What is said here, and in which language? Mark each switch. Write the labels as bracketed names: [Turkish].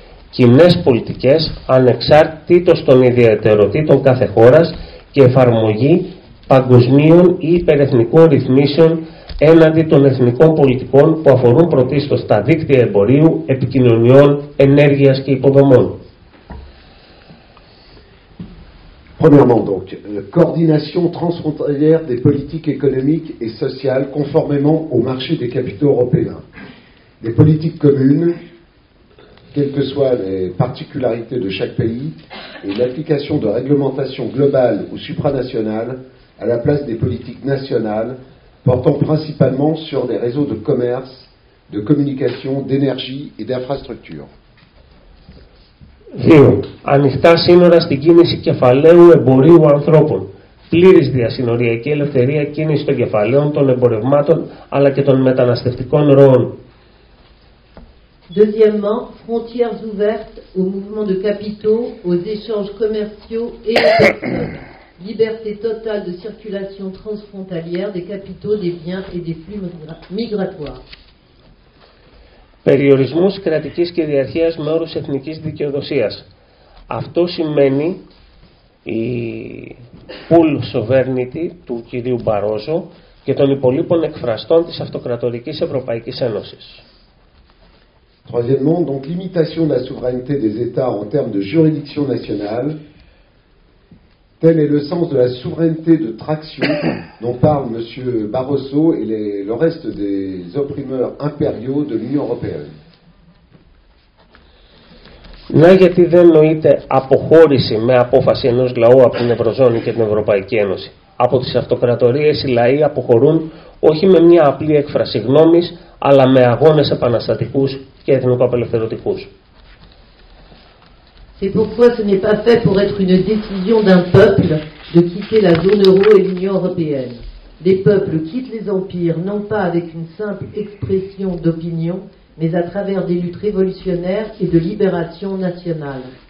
[Greek] Κοινές πολιτικές ανεξάρτητος των ιδιαιτεροτήτων κάθε χώρας και εφαρμογή παγκοσμίων ή υπερεθνικών ρυθμίσεων έναντι των εθνικών πολιτικών που αφορούν πρωτίστως τα δίκτυα εμπορίου, επικοινωνιών, ενέργειας και υποδομών. [French] Premièrement donc, coordination transfrontalière des politiques économiques et sociales conformément au marché des capitaux européens. Les politiques communes, quelles que soient les particularités de chaque pays, et l'application de réglementations globales ou supranationales à la place des politiques nationales portant principalement sur des réseaux de commerce, de communication, d'énergie et d'infrastructures. [Greek] 2. Ανοιχτά σύνορα στην κίνηση κεφαλαίου εμπορίου ανθρώπων. Πλήρης διασυνοριακή ελευθερία κίνησης των κεφαλαίων, των εμπορευμάτων, αλλά και των μεταναστευτικών ροών. [French] Deuxièmement, frontières ouvertes aux mouvements de capitaux, aux échanges commerciaux et aux personnes. Liberté totale de circulation transfrontalière des capitaux, des biens et des flux migratoires. [Greek] Περιορισμός κρατικής κυριαρχίας με όρους εθνικής δικαιοδοσίας. Αυτό σημαίνει η [English] full sovereignty [Greek] του κυρίου Μπαρόζο και των υπολείπων εκφραστών της αυτοκρατορικής Ευρωπαϊκής Ένωσης. [French] Troisièmement, donc limitation de la souveraineté des États en termes de juridiction nationale. Tel est le sens de la souveraineté de traction dont parle M. Barroso et le reste des opprimeurs impériaux de l'Union européenne. [Greek] Να γιατί δεν νοείται αποχώρηση με απόφαση ενός λαού από την Ευρωζώνη και την Ευρωπαϊκή Ένωση. Από τις αυτοκρατορίες οι λαοί αποχωρούν όχι με μια απλή έκφραση γνώμης, αλλά με αγώνες επαναστατικούς και εθνοπαπελευθερωτικούς. [French] C'est pourquoi ce n'est pas fait pour être une décision d'un peuple de quitter la zone euro et l'Union européenne. Les peuples quittent les empires non pas avec une simple expression d'opinion, mais à travers des luttes révolutionnaires et de libération nationale.